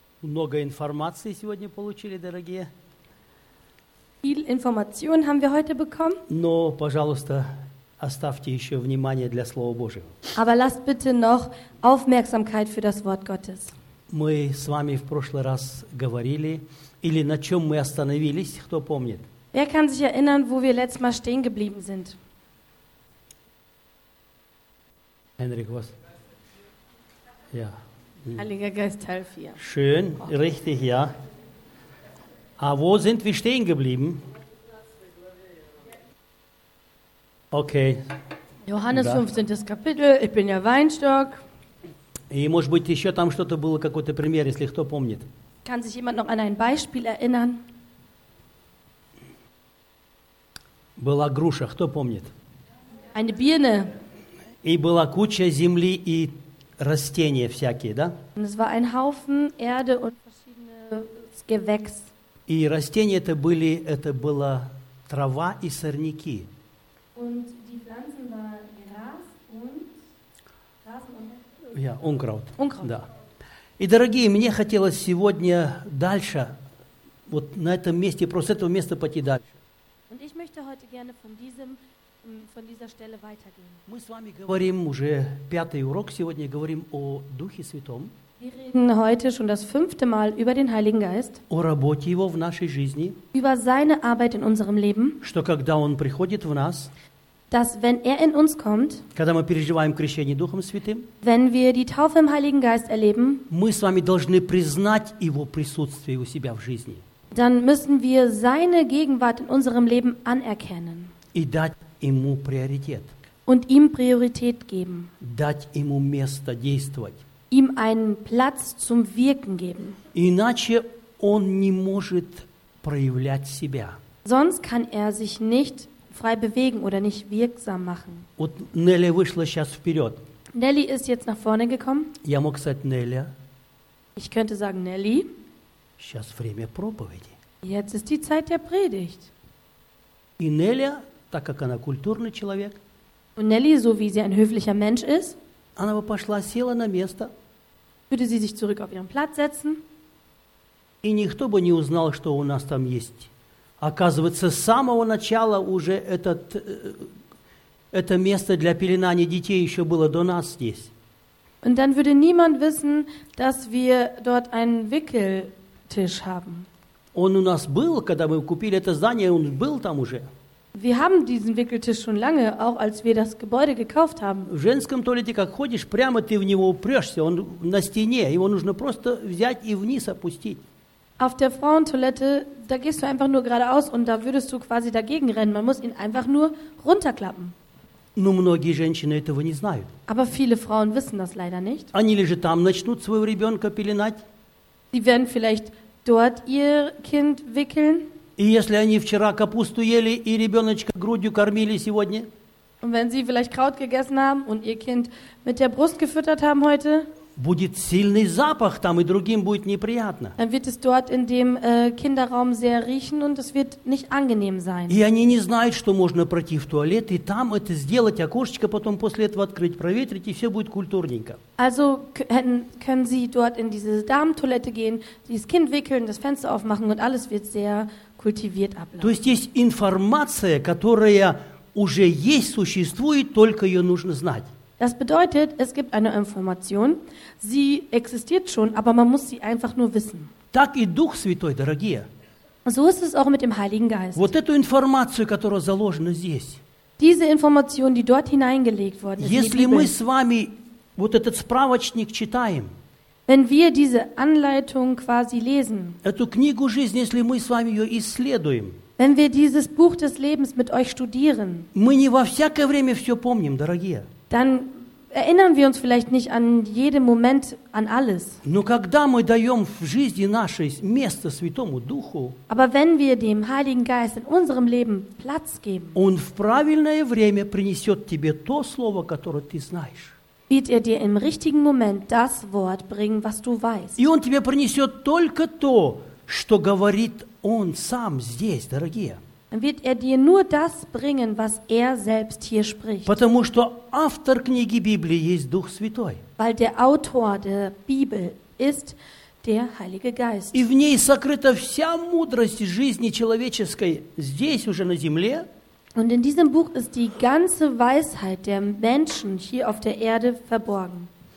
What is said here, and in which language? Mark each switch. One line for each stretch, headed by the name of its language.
Russian: Много информации сегодня получили, дорогие.
German: Viel Information haben wir heute bekommen.
Russian: Но, пожалуйста, оставьте еще внимание для Слова Божьего.
German: Aber lasst bitte noch Aufmerksamkeit für das Wort Gottes.
Russian: Мы с вами в прошлый раз говорили, или на чем мы остановились, кто помнит?
German: Wer kann sich erinnern, wo wir letztes Mal stehen geblieben sind? Henrik, was? Ja. Heiliger Geist, helf hier. Schön, richtig, ja. Aber wo sind wir stehen geblieben? Okay. Johannes 15. Kapitel, ich bin ja Weinstock.
Russian: И, может быть, еще там что-то было, какой-то пример, если кто помнит.
German: Kann sich jemand noch an ein Beispiel erinnern?
Russian: Была груша, кто помнит?
German: Eine Birne.
Russian: И была куча земли и растения всякие, да?
German: Und es war ein Haufen Erde und verschiedene Gewächs.
Russian: И растения это была трава и сорняки.
German: Und die Pflanzen waren Gras und Rasen. Ja, Unkraut. Unkraut.
Russian: Да. И, дорогие, мне хотелось сегодня дальше, вот на этом месте, просто с этого места пойти дальше.
German: Und ich möchte heute gerne von dieser Stelle weitergehen.
Russian: Мы с вами говорим уже пятый урок сегодня, говорим о Духе Святом.
German: Wir reden heute schon das fünfte Mal über den Heiligen Geist.
Russian: О работе его в нашей жизни.
German: Über seine Arbeit in unserem Leben.
Russian: Что когда он приходит в нас.
German: Dass wenn er in uns kommt.
Russian: Когда мы переживаем крещение Духом Святым.
German: Wenn wir die Taufe im Heiligen Geist erleben.
Russian: Мы с вами должны признать его присутствие у себя в жизни.
German: Dann müssen wir seine Gegenwart in unserem Leben anerkennen.
Russian: И дать ему приоритет.
German: Und ihm Priorität geben.
Russian: Дать ему место действовать.
German: Ihm einen Platz zum Wirken geben.
Russian: Иначе он не может проявлять себя.
German: Sonst kann er sich nicht frei bewegen oder nicht wirksam machen.
Russian: Вот Нелли вышла сейчас вперед.
German: Nelly ist jetzt nach vorne gekommen.
Russian: Я мог сказать Нелли.
German: Ich könnte sagen Nelly.
Russian: Сейчас время проповеди.
German: Jetzt ist die Zeit der Predigt.
Russian: И Нелли, так как она культурный человек,
German: und Nelly, so wie sie ein höflicher Mensch ist,
Russian: она бы пошла, села на место,
German: würde sie sich zurück auf ihren Platz setzen,
Russian: и никто бы не узнал, что у нас там есть. Оказывается, с самого начала уже это место для пеленания детей еще было до нас здесь.
German: Und dann würde niemand wissen, dass wir dort einen Wickel Tisch haben.
Russian: Он у нас был, когда мы купили это здание, он был там уже.
German: Wir haben diesen Wickeltisch schon lange, auch als wir das Gebäude gekauft haben.
Russian: В женском туалете, как ходишь, прямо ты в него упрешься, он на стене, его нужно просто взять и вниз опустить.
German: Auf der Frauentoilette, da gehst du einfach nur geradeaus und da würdest du quasi dagegen rennen, man muss ihn einfach nur runterklappen.
Russian: Но многие женщины этого не знают.
German: Aber viele Frauen wissen das leider nicht.
Russian: Они лежат там, начнут своего ребенка пеленать.
German: Sie werden vielleicht dort ihr Kind wickeln.
Russian: И если они вчера капусту ели и ребеночка грудью кормили сегодня?
German: Und wenn sie vielleicht Kraut gegessen haben und ihr Kind mit der Brust gefüttert haben heute?
Russian: Будет сильный запах там и другим будет неприятно.
German: Dann wird es dort in dem Kinderraum sehr riechen und es wird nicht angenehm sein.
Russian: И они не знают, что можно пройти в туалет и там это сделать, окошечко потом после этого открыть, проветрить и все будет культурненько.
German: Also können sie dort in diese Damentoilette gehen, dieses Kind wickeln, das Fenster aufmachen und alles wird sehr kultiviert ablaufen.
Russian: То есть есть информация, которая уже есть, существует, только ее нужно знать.
German: Das bedeutet, es gibt eine Information, sie existiert schon, aber man muss sie einfach nur wissen.
Russian: Так и Дух Святой, дорогие.
German: So ist es auch mit dem Heiligen Geist.
Russian: Вот эту информацию, которая заложена здесь.
German: Diese Information, die dort hineingelegt worden ist.
Russian: Если мы с вами вот этот справочник читаем.
German: Wenn wir diese Anleitung quasi lesen.
Russian: Эту книгу жизни, если мы с вами ее исследуем.
German: Wenn wir dieses Buch des Lebens mit euch studieren.
Russian: Мы не во всякое время все помним, дорогие.
German: Dann erinnern wir uns vielleicht nicht an jeden Moment an alles.
Russian: Но когда мы даем в жизни нашей место Святому Духу,
German: aber wenn wir dem Heiligen Geist in unserem Leben Platz geben,
Russian: он в правильное время принесет тебе то слово, которое ты знаешь.
German: Wird er dir im richtigen Moment das Wort bringen, was du weißt.
Russian: И он тебе принесет только то, что говорит он сам здесь, дорогие.
German: Dann wird er dir nur das bringen, was er selbst hier spricht.
Russian: Потому что автор книги Библии есть Дух Святой.
German: Weil der Autor der Bibel ist der Heilige Geist.
Russian: И в ней сокрыта вся мудрость жизни человеческой здесь уже на земле.
German: Und in diesem Buch ist die ganze Weisheit der Menschen hier auf der Erde verborgen.